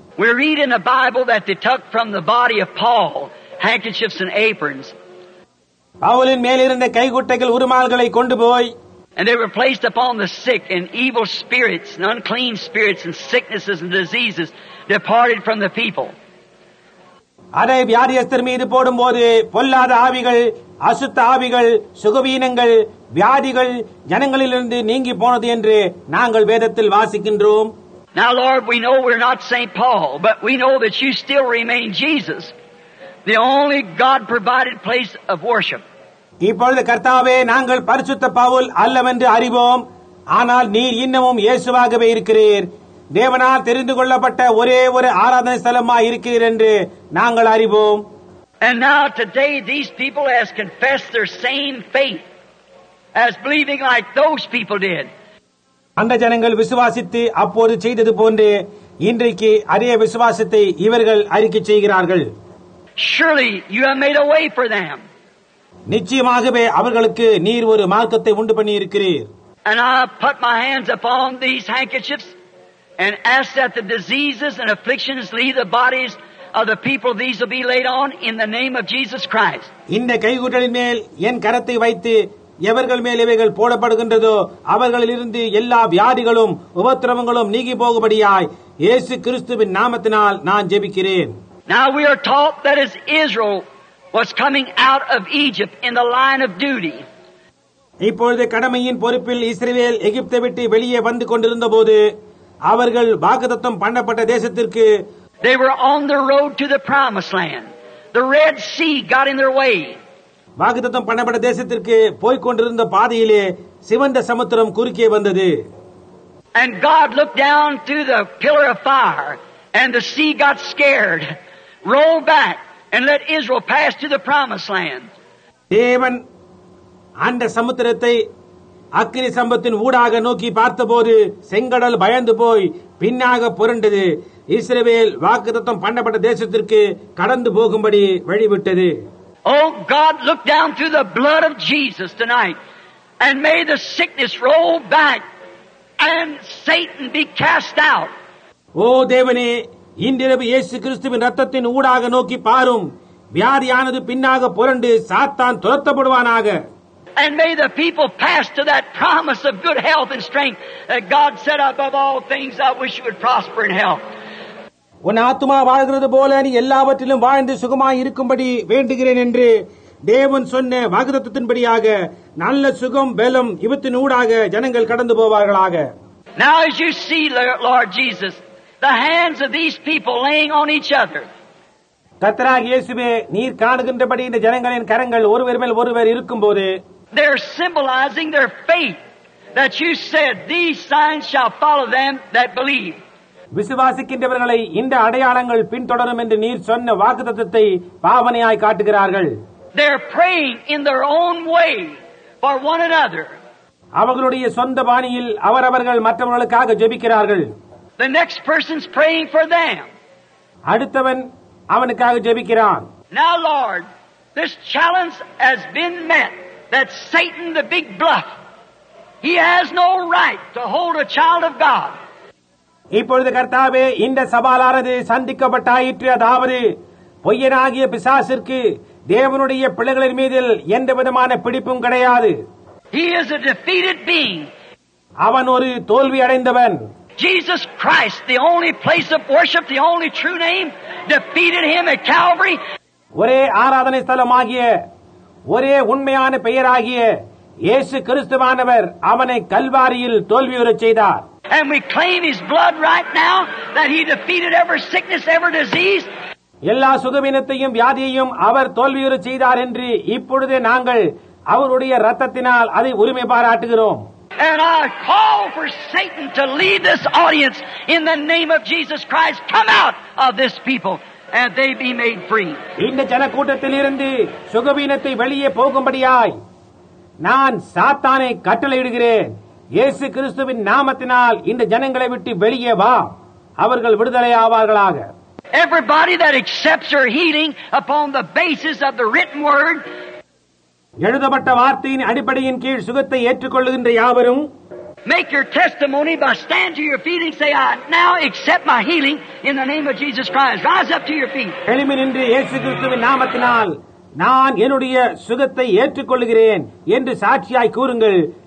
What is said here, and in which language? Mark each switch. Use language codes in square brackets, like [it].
[en] We read in the Bible that they took from the body of Paul handkerchiefs and aprons. [ta] பவுலின் மேலிருந்த கைக்குட்டைகள் உருமாள்களை கொண்டு போய் [en] And they were placed upon the sick and evil spirits and unclean spirits and sicknesses and diseases departed from the people. [ta] அதை வியாதியஸ்தர் மீது போடும்போது பொல்லாத ஆவிகள், அசுத்த ஆவிகள், சுகவீனங்கள், வியாதிகள் ஜனங்களிலிருந்து நீங்கி போனது என்று நாங்கள் வேதத்தில் வாசிக்கின்றோம். [en] Now, Lord, we know we're not St. Paul, but we know that you still remain Jesus, the only God-provided place of worship. [ta] இப்பொழுது கர்த்தாவே, நாங்கள் பரிசுத்த பவுல் அல்லவென்று அறிவோம், ஆனால் நீர் இன்னமும் இயேசுவாகவே இருக்கிறீர். தேவனால் தெரிந்து கொள்ளப்பட்ட ஒரே ஒரு ஆராதனை ஸ்தலமாக இருக்கிறீர் என்று நாங்கள் அறிவோம். [en] And now today these people has confessed their same faith as believing like those people did. [ta] அந்த ஜனங்கள் விசுவாசித்து அப்போது செய்தது போன்று இன்றைக்கு அதே விசுவாசத்தை இவர்கள் அறிக்கை செய்கிறார்கள். [en] Surely you have made a way for them. [ta] நிச்சயமாகவே அவர்களுக்கு நீர் ஒரு மார்க்கத்தை உண்டு பண்ணியிருக்கிறீர். [en] And I put my hands upon these handkerchiefs and ask that the diseases and afflictions leave the bodies of the people these will be laid on in the name of Jesus Christ. [ta] இந்த கைக்குட்டையின் மேல் என் கரத்தை வைத்து எவர்கள் மேல் இவைகள் போடப்படுகின்றதோ அவர்களிலிருந்து எல்லா வியாதிகளும் உபத்திரவங்களும் நீங்கி போகும்படியாய் இயேசு கிறிஸ்துவின் நாமத்தினால் நான் ஜெபிக்கிறேன். [en] Now we are taught that is Israel was coming out of Egypt in the line of duty. [ta] இப்பொழுது கடமையின் பொறுப்பில் இஸ்ரவேல் எகிப்தை விட்டு வெளியே வந்து கொண்டிருந்த போது அவர்கள் வாக்குத்தத்தம் பண்ணப்பட்ட தேசத்திற்கு. [en] They were on the road to the promised land. The Red Sea got in their way. [ta] வாக்குத்தத்தம் பண்ணப்பட்ட தேசத்திற்கு போய் கொண்டிருந்த பாதையிலே சிவந்த சமுத்திரம் குறுக்கே வந்தது. [en] And God looked down through the pillar of fire and the sea got scared. Roll back. And let Israel pass to the promised land. [ta] தேவன் அந்த சமுத்திரத்தை அக்கினி சம்பத்தின் ஊடாக நோக்கி பார்த்தபோது செங்கடல் பயந்து போய் பின்னாக புரண்டது. இஸ்ரவேல் வாக்குத்தத்தம் பண்ணப்பட்ட தேசத்திற்கு கடந்து போகும்படி வழிவிட்டது. [en] Oh God, look down through the blood of Jesus tonight and may the sickness roll back and Satan be cast out. [ta] ஓ தேவனே, இன்றிரவு இயேசு கிறிஸ்துவின் ரத்தத்தின் ஊடாக நோக்கி பாரும். வியாதியானது பின்னாக புரண்டு சாத்தான் துரத்தப்படுவானாக. [en] And may the people pass to that promise of good health and strength that God said above all things I wish you would prosper in health. [ta] உன் ஆத்துமா வாழ்கிறது போல நீ எல்லாவற்றிலும் வாழ்ந்து சுகமாய் இருக்கும்படி வேண்டுகிறேன் என்று தேவன் சொன்ன வாக்குத்தத்தின்படியாக நல்ல சுகம் பலம் இவற்றின் ஊடாக ஜனங்கள் கடந்து போவார்களாக. [en] Now as you see Lord Jesus, the hands of these people laying on each other. [ta] கர்த்தராகிய இயேசுவே, நீர் காணுகின்றபடி இந்த ஜனங்களின் கரங்கள் ஒருவர் மேல் ஒருவர் இருக்கும்போது, [en] they are symbolizing their faith that you said these signs shall follow them that believe. [ta] விசுவாசிக்கின்றவர்களை இந்த அடையாளங்கள் பின்தொடரும் என்று நீர் சொன்ன வாக்குத்தத்தத்தை பாவனையாய் காட்டுகிறார்கள். [en] They are praying in their own way for one another. [ta] அவர்களுடைய சொந்த பாணியில் அவரவர்கள் மற்றவர்களுக்காக ஜெபிக்கிறார்கள். [en] The next person's praying for them. [ta] அடுத்தவன் அவனுக்காக ஜெபிக்கிறான். [en] Now Lord, this challenge has been met that Satan the big bluff, he has no right to hold a child of God. [ta] இப்பொழுது கர்த்தாவே, இந்த சவாலானது சந்திக்கப்பட்டாயிற்று. அதாவது பொய்யனாகிய பிசாசிற்கு தேவனுடைய பிள்ளைகளின் மீதில் எந்த விதமான பிடிப்பும் கிடையாது. [en] He is a defeated being. [ta] அவன் ஒரு தோல்வி அடைந்தவன். [en] Jesus Christ, the only place of worship, the only true name, defeated him at Calvary. [ta] ஒரே ஆராதனை ஸ்தலமாகிய ஒரே உண்மையான பெயராகிய இயேசு கிறிஸ்துவானவர் அவனை கல்வாரியில் தோல்வியுறச் செய்தார். [en] And we claim his blood right now that he defeated every sickness, every disease. [ta] எல்லா சுகவீனத்தையும் வியாதியையும் அவர் தோல்வியுறச் செய்தார் என்று இப்பொழுதே நாங்கள் அவருடைய ரத்தத்தினால் அதை உரிமை பாராட்டுகிறோம். [en] And I call for Satan to leave this audience in the name of Jesus Christ. Come out of this people and they be made free. [ta] இந்த ஜனக்கூட்டத்திலிருந்து சுகவீனத்தை வெளியே போகும்படியாய் நான் சாத்தானை கட்டளையிடுகிறேன். இயேசு கிறிஸ்துவின் நாமத்தினால் இந்த ஜனங்களை விட்டு வெளியே வா, அவர்கள் விடுதலை ஆவார்களாக. [en] Everybody that accepts your healing upon the basis of the written word, [ta] எழுதப்பட்ட வார்த்தையின் அடிப்படையின் கீழ் சுகத்தை ஏற்றுக்கொள்ளுகின்ற யாவரும், [en] make your testimony by stand to your feet and say, I now accept my healing in the name of Jesus Christ. Rise up to your feet. [ta] எழுமின் என்று இயேசு கிறிஸ்துவின் நாமத்தினால் நான் என்னுடைய சுகத்தை ஏற்றுக்கொள்கிறேன் என்று சாட்சியாய் கூறுங்கள்.